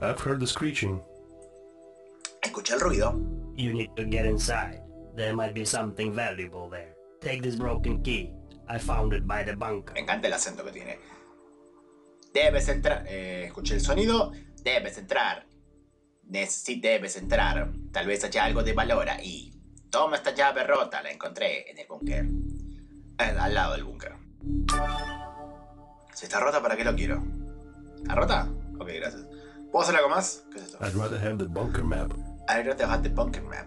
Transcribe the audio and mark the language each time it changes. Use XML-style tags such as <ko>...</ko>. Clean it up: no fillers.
<en>I've heard the screeching.</en> <es>Escuché el ruido.</es> <en>You need to get inside. There might be something valuable there. Take this broken key. I found it by the bunker.</en> <es>Me encanta el acento que tiene. Debes entrar. Escuché el sonido. Debes entrar. Debes entrar. Tal vez haya algo de valor ahí. Toma esta llave rota. La encontré en el búnker. Al lado del búnker. Si está rota, ¿para qué lo quiero? ¿Está rota? Ok, gracias. ¿Puedo hacer algo más? ¿Qué es esto?</es> <en>I'd rather have the bunker map. I'd rather have the bunker map.</en>